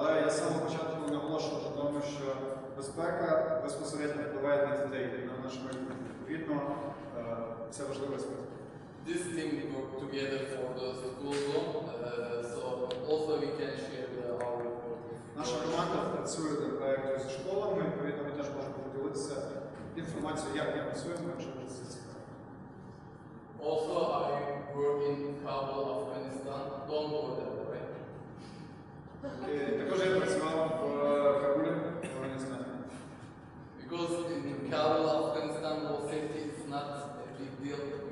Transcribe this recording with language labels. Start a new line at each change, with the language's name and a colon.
Ukrainian: самого початку не наголошував на тому, що безпека безпосередньо впливає на дітей, на наше майбутнє. Відповідно, це важливий аспект.
English: This thing we work together for the school zone, so also we can share our report.
Ukrainian: Наша команда працює над проєктом зі школами, відповідно, ми теж можемо поділитися інформацією, як ми працюємо, якщо вже це цікаво.
English: Also, I work in Kabul, Afghanistan. Don't go there, right? Okay.
Ukrainian: Також я працював в Кабулі, Афганістан.
English: Because in Kabul, Afghanistan, no safety is not a big deal.